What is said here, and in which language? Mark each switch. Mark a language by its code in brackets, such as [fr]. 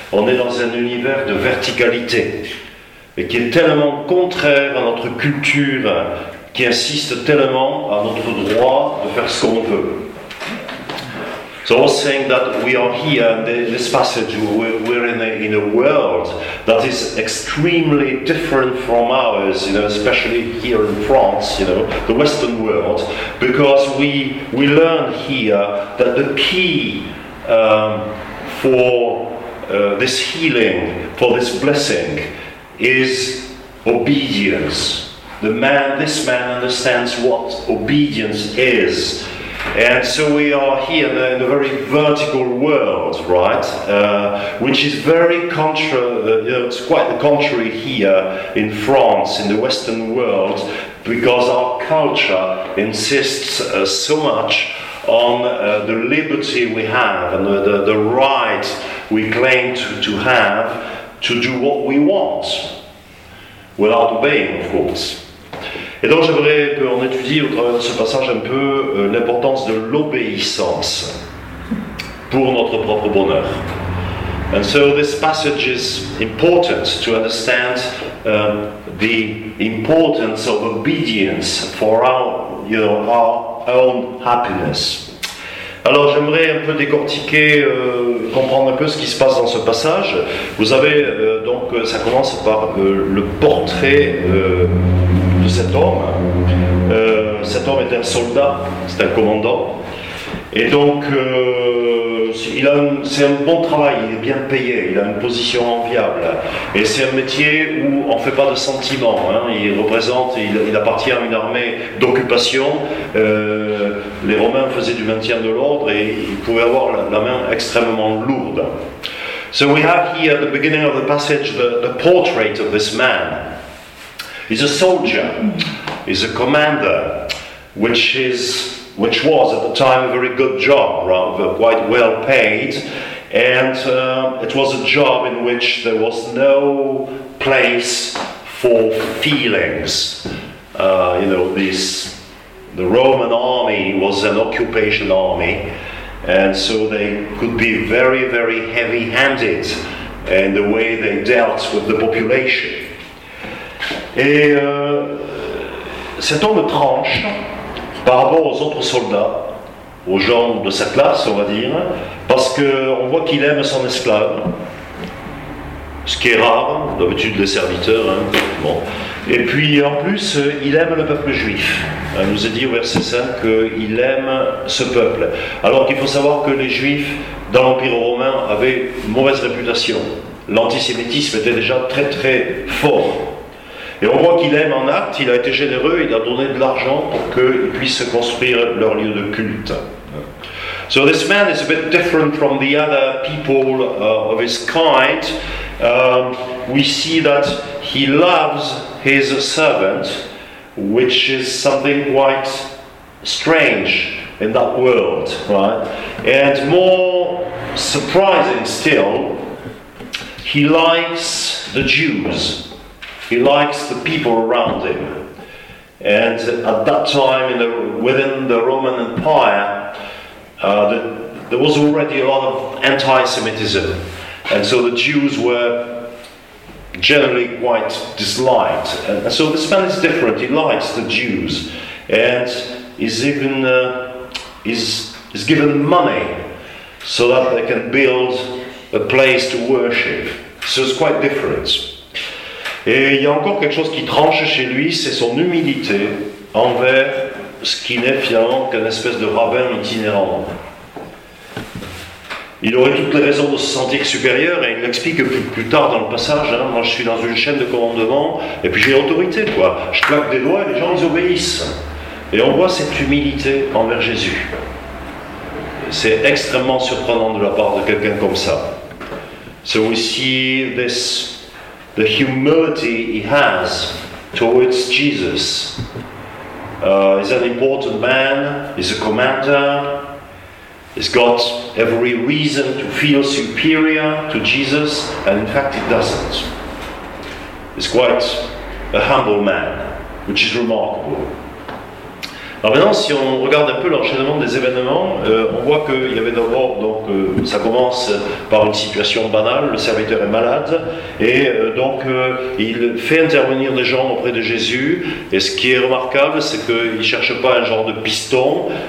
[fr] On est dans un univers de verticalité, et qui est tellement contraire à notre culture, qui insiste tellement à notre droit de faire ce qu'on veut. [en] So I was saying that we are here in this passage, we're in a world that is extremely different from ours, you know, especially here in France, you know, the Western world, because we learn here that the key for this healing, for this blessing, is obedience. This man understands what obedience is. And so we are here in a very vertical world, right? Which is very it's quite the contrary here in France, in the Western world, because our culture insists so much on the liberty we have and the right we claim to have to do what we want, without obeying, of course. [fr] Et donc j'aimerais qu'on étudie au travers de ce passage un peu l'importance de l'obéissance pour notre propre bonheur. [en] And so this passage is important to understand the importance of obedience for our own happiness. [fr] Alors j'aimerais un peu décortiquer, comprendre un peu ce qui se passe dans ce passage. Vous avez donc, ça commence par le portrait de cet homme. Cet homme est un soldat, c'est un commandant. Et donc, c'est un bon travail, il est bien payé, il a une position enviable. Et c'est un métier où on ne fait pas de sentiments. Hein. Il représente, il appartient à une armée d'occupation. Les Romains faisaient du maintien de l'ordre et ils pouvaient avoir la main extrêmement lourde. [en] So we have here at the beginning of the passage the portrait of this man. He's a soldier, he's a commander, which was at the time a very good job, rather quite well paid, and it was a job in which there was no place for feelings. The Roman army was an occupation army, and so they could be very, very heavy-handed in the way they dealt with the population. [fr] Et cet homme tranche par rapport aux autres soldats, aux gens de sa classe, on va dire, parce qu'on voit qu'il aime son esclave, ce qui est rare, d'habitude les serviteurs. Hein, bon. Et puis en plus, il aime le peuple juif. Il nous est dit au verset 5 qu'il aime ce peuple. Alors qu'il faut savoir que les juifs dans l'Empire romain avaient une mauvaise réputation. L'antisémitisme était déjà très très fort. Et on voit qu'il aime en acte, il a été généreux, il a donné de l'argent pour qu'ils puissent construire leur lieu de culte. [en] So this man is a bit different from the other people of his kind. We see that he loves his servant, which is something quite strange in that world, right? And more surprising still, he likes the Jews. He likes the people around him, and at that time within the Roman Empire there was already a lot of anti-Semitism, and so the Jews were generally quite disliked, and so this man is different. He likes the Jews and is given money so that they can build a place to worship, so it's quite different. [fr] Et il y a encore quelque chose qui tranche chez lui, c'est son humilité envers ce qui n'est finalement qu'un espèce de rabbin itinérant. Il aurait toutes les raisons de se sentir supérieur, et il l'explique plus tard dans le passage, hein. Moi je suis dans une chaîne de commandement, et puis j'ai autorité, quoi. Je claque des doigts et les gens ils obéissent. Et on voit cette humilité envers Jésus. C'est extrêmement surprenant de la part de quelqu'un comme ça. C'est aussi des... [en] the humility he has towards Jesus. He's an important man, he's a commander, he's got every reason to feel superior to Jesus, and in fact he doesn't. He's quite a humble man, which is remarkable. [fr] Alors maintenant, si on regarde un peu l'enchaînement des événements, on voit qu'il y avait d'abord, donc, ça commence par une situation banale, le serviteur est malade, et il fait intervenir des gens auprès de Jésus, et ce qui est remarquable, c'est qu'il ne cherche pas un genre de piston.